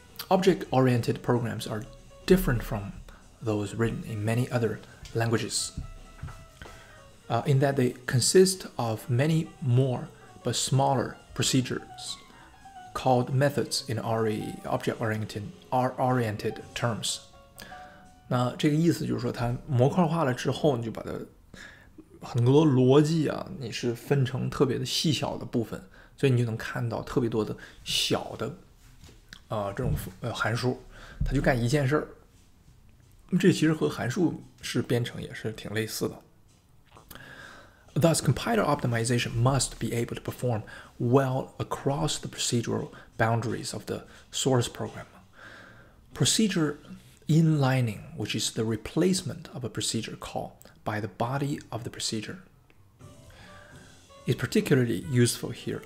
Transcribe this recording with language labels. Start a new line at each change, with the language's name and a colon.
English: Object oriented programs are different from those written in many other languages. In that they consist of many more but smaller procedures called methods in RE, object-oriented terms.
Chinese: 那这个意思就是说它模块化了之后，你就把它很多逻辑啊，你是分成特别的细小的部分，所以你就能看到特别多的小的这种函数，它就干一件事儿。这其实和函数式编程也是挺类似的。
English: Thus, compiler optimization must be able to perform well across the procedural boundaries of the source program. Procedure inlining, which is the replacement of a procedure call by the body of the procedure, is particularly useful here.